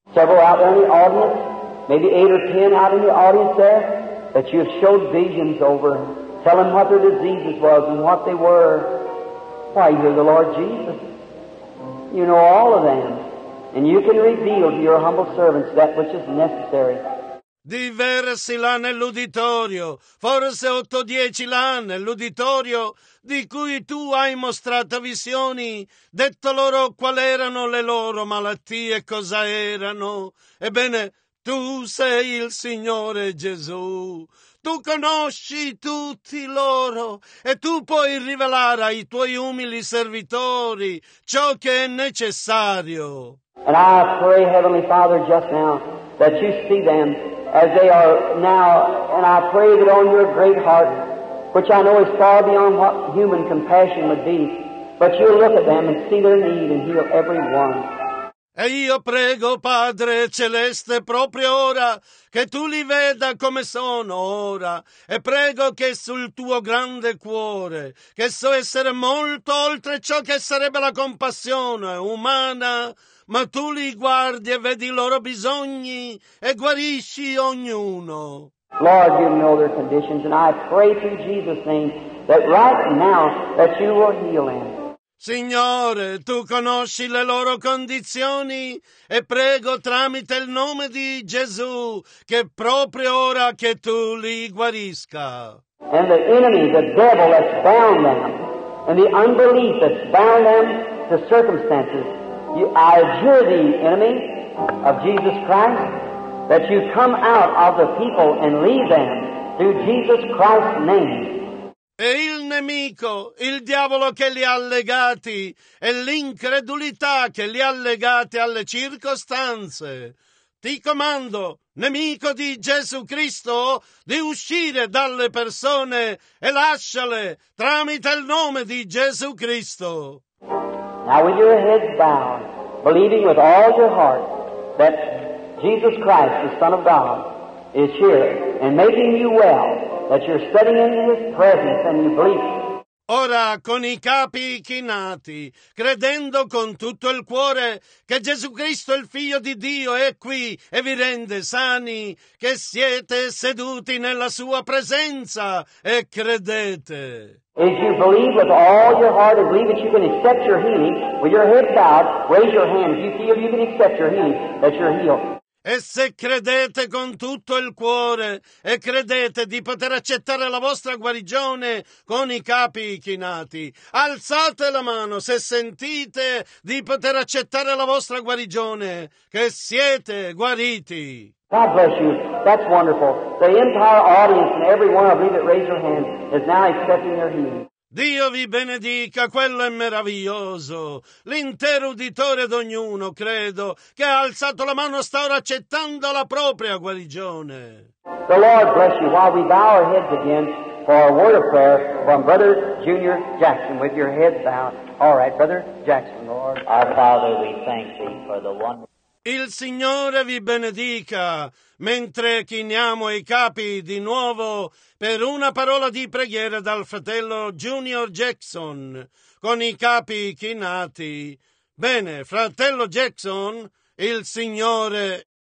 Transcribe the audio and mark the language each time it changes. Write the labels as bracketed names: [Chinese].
[English] Several out in the audience, maybe 8 or 10 out in the audience there, that you have showed visions over, tell them what their diseases was and what they were. Why, you're the Lord Jesus. You know all of them. And you can reveal to your humble servants that which is necessary. [Italian] Diversi là nell'uditorio, forse 8 o 10 là nell'uditorio, di cui tu hai mostrato visioni, detto loro quali erano le loro malattie, cosa erano. Ebbene, tu sei il Signore Gesù. Tu conosci tutti loro e tu puoi rivelare ai tuoi umili servitori ciò che è necessario. [English] And I pray, Heavenly Father, just now, that you see them as they are now. And I pray that on your great heart, which I know is far beyond what human compassion would be, but you look at them and see their need and heal every one. [Italian] E io prego, Padre Celeste, proprio ora, che tu li veda come sono ora, e prego che sul tuo grande cuore, che so essere molto oltre ciò che sarebbe la compassione umana, ma tu li guardi e vedi i loro bisogni e guarisci ognuno. [English] Lord, you know their conditions, and I pray through Jesus' name that right now that you will heal them. [Italian] Signore, tu conosci le loro condizioni e prego tramite il nome di Gesù che proprio ora che tu li guarisca. [English] And the enemy, the devil that's bound them, and the unbelief that's bound them to circumstances, I adjure thee, enemy of Jesus Christ, that you come out of the people and leave them through Jesus Christ's name. [Italian] E il nemico, il diavolo che li ha legati, e l'incredulità che li ha legati alle circostanze. Ti comando, nemico di Gesù Cristo, di uscire dalle persone e lasciale tramite il nome di Gesù Cristo. [English] Now with your head bowed, believing with all your heart that Jesus Christ, the Son of God, is here and making you well, that you're studying in His presence and you believe. [Italian] Ora, con i capi chinati, credendo con tutto il cuore che Gesù Cristo, il Figlio di Dio, è qui e vi rende sani, che siete seduti nella sua presenza e credete. [English] If you believe with all your heart and believe that you can accept your healing, with your head bowed, raise your hands, you feel you can accept your healing, that you're healed. [Italian] E se credete con tutto il cuore e credete di poter accettare la vostra guarigione con i capi chinati, alzate la mano se sentite di poter accettare la vostra guarigione, che siete guariti. [English] God bless you. That's wonderful. The entire audience and every one of you that raised your hand is now accepting your healing. [Italian] Dio vi benedica, quello è meraviglioso. L'intero uditore d'ognuno, credo, che ha alzato la mano sta ora accettando la propria guarigione. [English] The Lord bless you while we bow our heads again for a word of prayer from Brother Junior Jackson with your head bowed. All right, Brother Jackson, Lord. Our Father, we thank thee for the wonderful. [Italian] Il Signore vi benedica, mentre chiniamo i capi di nuovo per una parola di preghiera dal fratello Junior Jackson, con i capi chinati. Bene, fratello Jackson, il Signore